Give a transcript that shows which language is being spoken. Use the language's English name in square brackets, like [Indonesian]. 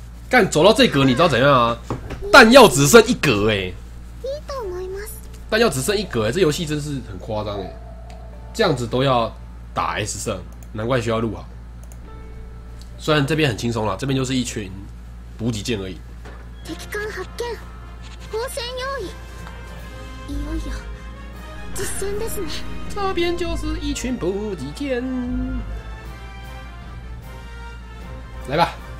[Chinese] 干，走到这格你知道怎样啊？弹药只剩一格欸，弹药只剩一格欸，这游戏真是很夸张欸，这样子都要打 S 胜，难怪需要录好。虽然这边很轻松啦，这边就是一群补给舰而已。 [Japanese] 敵艦発見、光線用意、いよいよ実戦ですね。 [Chinese] 这边就是一群补给舰，来吧！